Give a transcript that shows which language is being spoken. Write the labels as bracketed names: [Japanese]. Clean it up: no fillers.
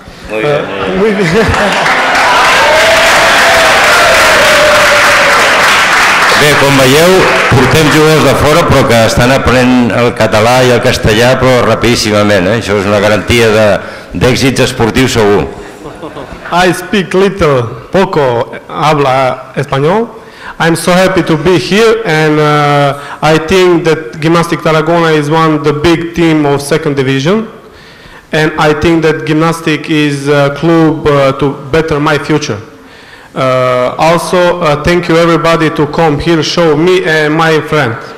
[Catalan] Muy bien. Bé, com veieu, portem jugadors de fora, però que estan aprenent el català i el castellà, però rapidíssimament. Això és una garantia d'èxits esportius, segur. [English] I speak little, [Spanish] poco, habla español. [English] I'm so happy to be here, and I think that Gimnàstic Tarragona is one of the big team of second division. And I think that Gymnastic is a club to better my future. Also, thank you everybody to come here, show me and my friend.